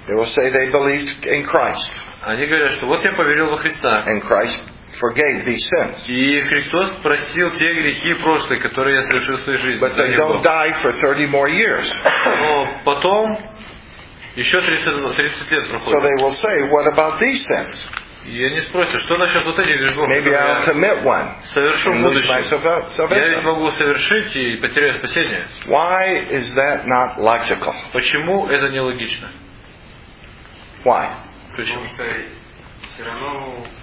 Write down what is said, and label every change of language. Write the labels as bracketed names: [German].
[English] They will say they believed in Christ. [Russian] Они говорят, что вот я поверил во Христа. [English] And Christ forgave these sins. [Russian] И Христос простил те грехи прошлые, которые я совершил в своей жизни. [English] But they don't die for 30 more years. [Russian] Но потом еще 30 лет проходит. [English] So they will say, what about these sins? [Russian] И они спросят, что насчет вот этих грехов? [English] Maybe I'll commit one. [Russian] Совершу в будущем. Я ведь могу совершить и потеряю спасение. [English] Why is that not logical? [Russian] Почему это нелогично? [English] Why? [Russian] Почему? Потому что все равно.